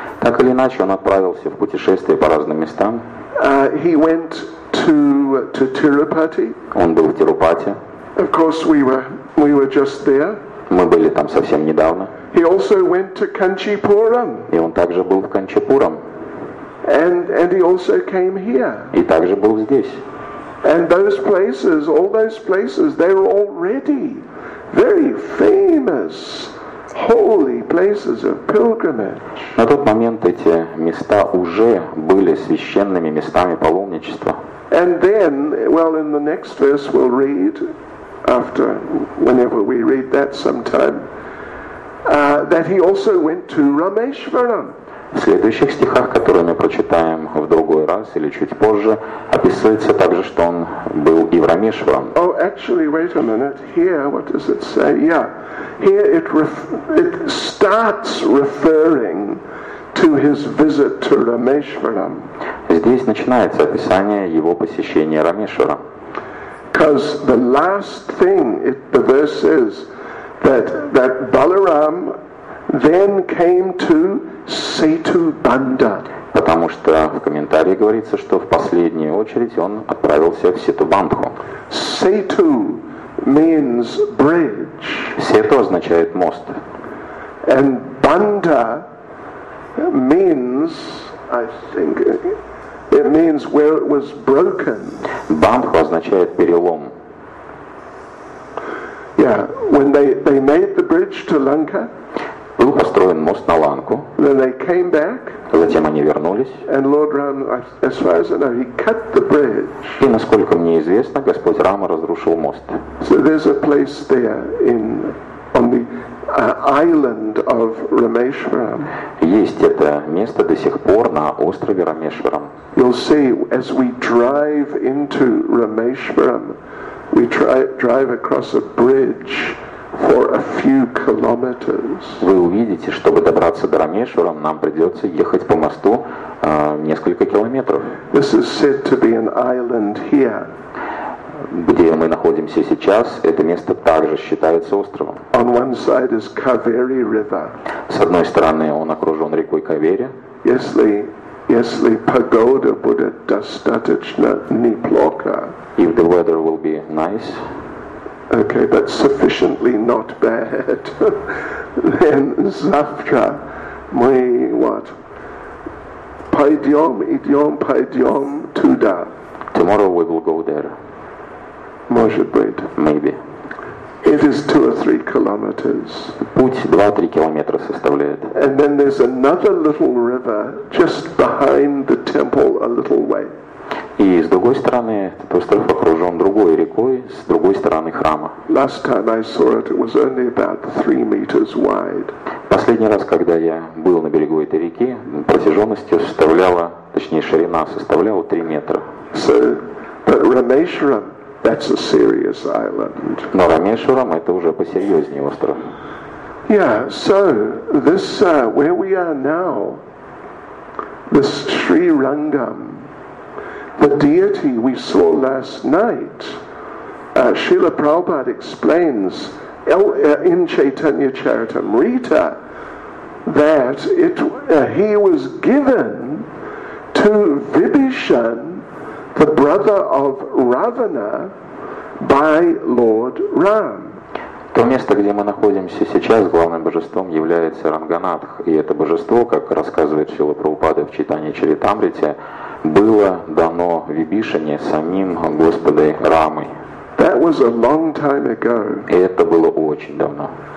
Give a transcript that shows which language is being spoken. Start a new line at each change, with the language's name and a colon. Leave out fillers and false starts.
Russian: Так или иначе, он отправился в путешествие по разным местам.
English: He went to Tirupati.
Russian: Он был в Тирупати.
English: Of course, we were just there.
Russian: Мы были там совсем недавно.
English: He also went to Kanchipuram.
Russian: И он также был в Канчипурам.
English: And he also came here.
Russian: И также был здесь.
English: And those places, all those places, they were already very famous holy places of pilgrimage.
Russian: На тот момент эти места уже были священными местами паломничества.
English: And then, well, in the next verse we'll read, after, whenever we read that sometime, that he also went to Rameshwaram.
Russian: В следующих стихах, которые мы прочитаем в другой раз или чуть позже, описывается также, что он был и в Рамешвам.
English: Oh, actually, wait a minute. Here, what does it say? Yeah. Here it starts referring to his visit to Rameshwaram.
Russian: Здесь начинается описание его посещения Рамешвара.
English: Because the last thing the verse is that Balaram then came to Сетубанда.
Russian: Потому что в комментарии говорится, что в последнюю очередь он отправился в Сетубандху.
English: Сету means bridge.
Russian: Сету означает мост.
English: And Банда means, I think, it means where it was broken.
Russian: Бандху означает перелом.
English: Yeah, when they made the bridge to Lanka.
Russian: Был построен мост на Ланку.
English: Then they came back,
Russian: затем они вернулись.
English: And Lord Ram, as far as I know, he cut the bridge.
Russian: И насколько мне известно, Господь Рама разрушил мост.
English: So there's a place there on the island of Rameshwaram.
Russian: Есть это место до сих пор на острове Рамешварам.
English: You'll see as we drive into Rameshwaram, we drive across a bridge. For a few kilometers.
Russian: Вы увидите, чтобы добраться до Рамешвара, нам придется ехать по мосту несколько километров.
English: This is said to be an island here.
Russian: Где мы находимся сейчас, это место также считается островом.
English: On one side is Kaveri River.
Russian: С одной стороны, он окружен рекой Кавери. Если погода будет достаточно неплохо.
English: If the weather will be nice. Okay, but sufficiently not bad. Then
Russian: завтра мы
English: what?
Russian: Пойдем туда.
English: Tomorrow we will go there.
Russian: Может быть.
English: Maybe. It is 2 or 3 kilometers.
Russian: Путь 2-3 километра составляет.
English: And then there's another little river just behind the temple a little way.
Russian: И с другой стороны, этот остров окружен другой рекой, с другой стороны храма.
English: Last time I saw it, it was only about 3 meters wide.
Russian: Последний раз, когда я был на берегу этой реки, протяженность составляла, точнее, ширина составляла 3 метра.
English: So, but Rameshwaram, that's a serious island.
Russian: Но Рамешвара — это уже посерьезнее остров.
English: Yeah, so this, where we are now, this Sri Rangam, the deity we saw last night, Srila Prabhupada explains in Chaitanya Charitamrita that it, he was given to Vibhishan, the brother of Ravana, by Lord Ram.
Russian: То место, где мы находимся сейчас, главным божеством является Ранганатх. И это божество, как рассказывает Шрила Прабхупада в Чайтанья Чаритамрите, было дано Вибишане самим Господом Рамой.
English: That was a long time ago.
Russian: И это было очень давно.